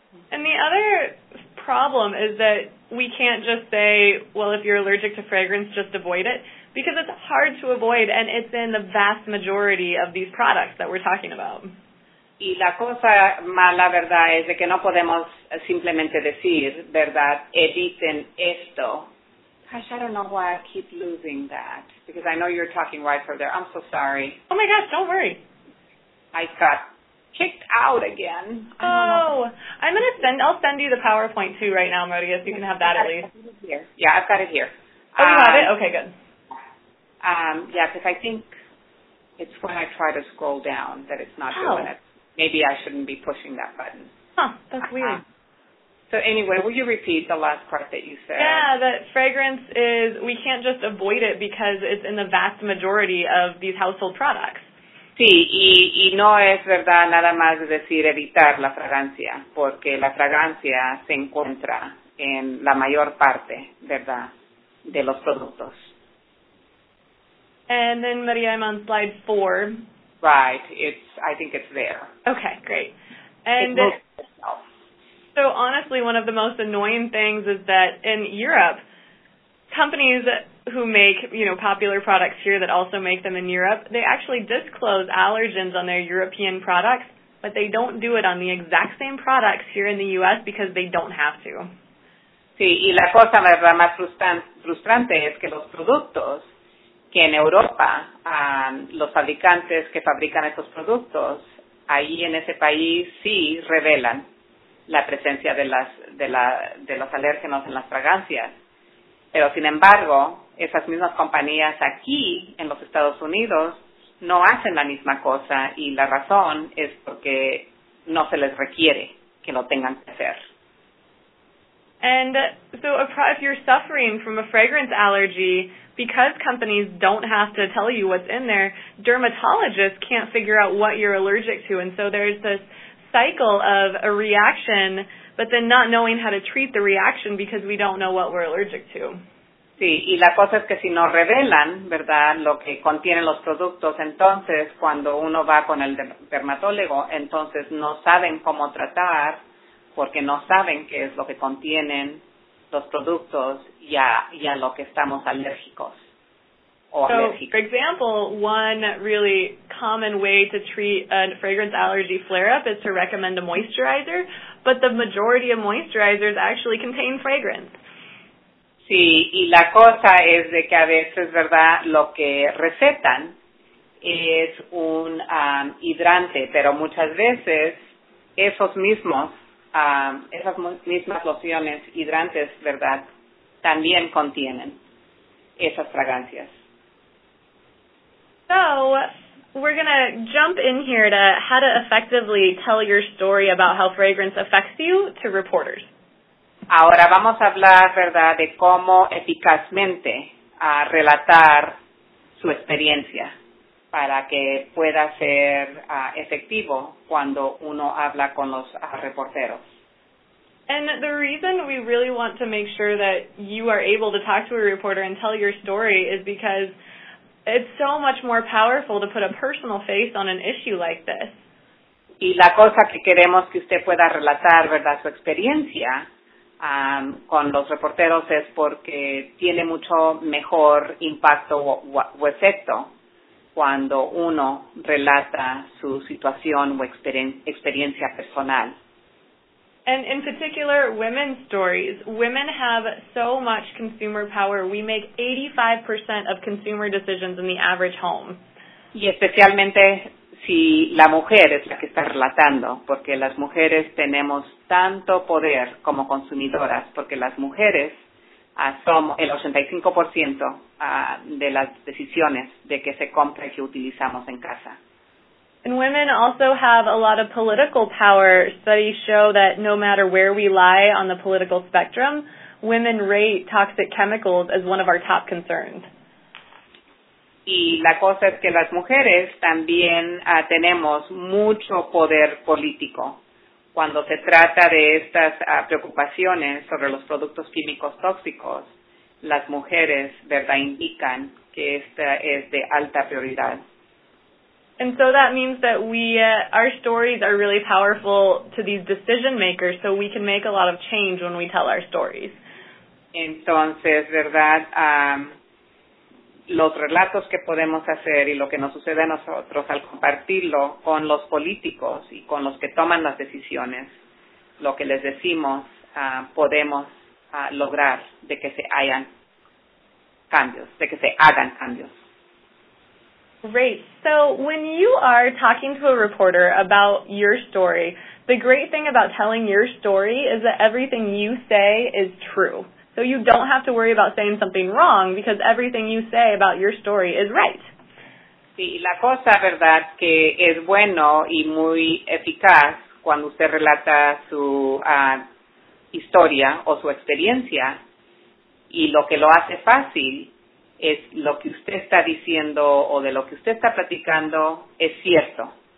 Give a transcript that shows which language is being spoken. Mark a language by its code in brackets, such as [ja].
[en] And the other problem is that we can't just say, well, if you're allergic to fragrance, just avoid it, because it's hard to avoid, and it's in the vast majority of these products that we're talking about. [es] Y la cosa mala, verdad, es de que no podemos simplemente decir, verdad, eviten esto. [en] Gosh, I don't know why I keep losing that, because I know you're talking right over there. I'm so sorry. Oh, my gosh, don't worry. I got kicked out again. Oh, I'll send you the PowerPoint, too, right now, Maria, so you can have that at least. Yeah, I've got it here. Oh, you have it? Okay, good. Yeah, because I think it's when I try to scroll down that it's not doing it. Maybe I shouldn't be pushing that button. Huh, that's weird. So anyway, will you repeat the last part that you said? Yeah, that fragrance is, we can't just avoid it because it's in the vast majority of these household products. [es] Sí, y no es verdad nada más decir evitar la fragancia, porque la fragancia se encuentra en la mayor parte, ¿verdad?, de los productos. [en] And then, Maria, I'm on slide 4. Right. I think it's there. Okay, great. And so honestly, one of the most annoying things is that in Europe, companies who make, you know, popular products here that also make them in Europe, they actually disclose allergens on their European products, but they don't do it on the exact same products here in the U.S. because they don't have to. [es] Sí, y la cosa más frustrante es que los productos que en Europa, los fabricantes que fabrican estos productos, ahí en ese país sí revelan la presencia de los alérgenos en las fragancias. Pero sin embargo, esas mismas compañías aquí en los Estados Unidos no hacen la misma cosa, y la razón es porque no se les requiere que lo tengan que hacer. [en] And so if you're suffering from a fragrance allergy, because companies don't have to tell you what's in there, dermatologists can't figure out what you're allergic to. And so there's this cycle of a reaction, but then not knowing how to treat the reaction because we don't know what we're allergic to. [es] Sí, y la cosa es que si no revelan, ¿verdad?, lo que contienen los productos, entonces cuando uno va con el dermatólogo, entonces no saben cómo tratar porque no saben qué es lo que contienen los productos y a lo que estamos alérgicos o [en] so, for example, one really common way to treat a fragrance allergy flare-up is to recommend a moisturizer, but the majority of moisturizers actually contain fragrance. [es] Sí, y la cosa es de que a veces, ¿verdad?, lo que recetan es un hidrante, pero muchas veces esos mismos esas mismas lociones hidrantes, ¿verdad?, también contienen esas fragancias. [en] So, we're going to jump in here to how to effectively tell your story about how fragrance affects you to reporters. [es] Ahora vamos a hablar, ¿verdad?, de cómo eficazmente relatar su experiencia para que pueda ser efectivo cuando uno habla con los reporteros. [en] And the reason we really want to make sure that you are able to talk to a reporter and tell your story is because it's so much more powerful to put a personal face on an issue like this. [es] Y la cosa que queremos que usted pueda relatar, ¿verdad?, su experiencia con los reporteros es porque tiene mucho mejor impacto o efecto cuando uno relata su situación o experiencia personal. [en] And in particular, women's stories. Women have so much consumer power. We make 85% of consumer decisions in the average home. [es] Y especialmente si la mujer es la que está relatando, porque las mujeres tenemos tanto poder como consumidoras, porque las mujeres son el 85% de las decisiones de que se compra y que utilizamos en casa. [en] And women also have a lot of political power. Studies show that no matter where we lie on the political spectrum, women rate toxic chemicals as one of our top concerns. [es] Y la cosa es que las mujeres también tenemos mucho poder político cuando se trata de estas preocupaciones sobre los productos químicos tóxicos. Las mujeres, ¿verdad?, indican que esta es de alta prioridad. [en] And so that means that we, our stories are really powerful to these decision makers, so we can make a lot of change when we tell our stories. [es] Entonces, ¿verdad?, los relatos que podemos hacer y lo que nos sucede a nosotros al compartirlo con los políticos y con los que toman las decisiones, lo que les decimos, podemos lograr de que se hagan cambios, de que se hagan cambios. [en] Great. So when you are talking to a reporter about your story, the great thing about telling your story is that everything you say is true. So you don't have to worry about saying something wrong because everything you say about your story is right. [es] Sí, la cosa, verdad, que es bueno y muy eficaz cuando usted relata su historia o su experiencia, y lo que lo hace fácil es lo que usted está diciendo o de lo que usted está platicando es cierto.